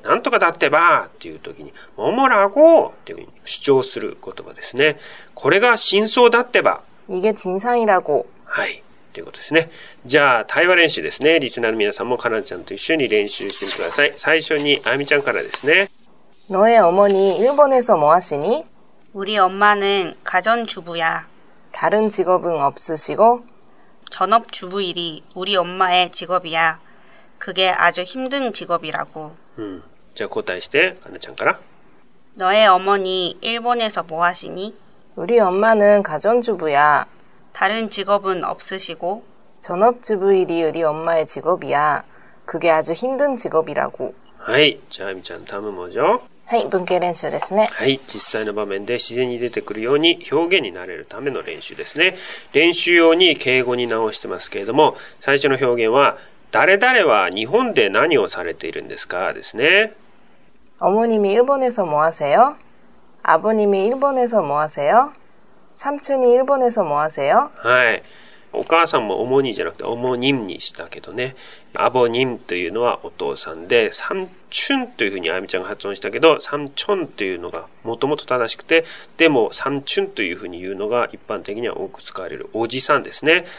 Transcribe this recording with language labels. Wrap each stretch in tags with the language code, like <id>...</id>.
<ja>なんとかだってばっていう時に、モモラゴっていう風に主張する言葉ですね。これが真相だってば。</ja> <ko>이게진상이라고。</ko> <ja>はい。ということですね。じゃあ、対話練習ですね。リスナーの皆さんもカナちゃんと一緒に練習してみてください。最初に、あゆみちゃんからですね。</ja> <ko>너의어머니、일본에서뭐하시니？ 우리엄마는가전주부야。 다른직업은없으시고？ 전업주부일이우리엄마의직업이야。 그게아주힘든직업이라고。</ko> <ja>うん。じゃあ答えして、かなちゃんから。</ja> <ko>너의어머니、일본에서뭐하시니？ 우리엄마는가전주부야。 다른직업은없으시고？ 전업주부일이우리엄마의직업이야。 그게아주힘든직업이라고。</ko> <ja>はい。じゃあ、あみちゃん、単語もじゃ。はい。文型練習ですね。はい。実際の場面で自然に出てくるように表現に慣れるための練習ですね。練習用に敬語に直してますけれども、最初の表現は、誰々は日本で何をされているんですかですね。</ja> <ko>어머님이일본에서뭐하세요？ 아버님이일본에서뭐하세요삼촌이일본에서뭐하세요</ko> <ja>はい。お母さんも主にじゃなくて、主任にしたけどね。アボニンというのはお父さんで、サンチュンというふうにあゆみちゃんが発音したけど、サンチョンというのがもともと正しくて、でもサンチュンというふうに言うのが一般的には多く使われるおじさんですね。</ja>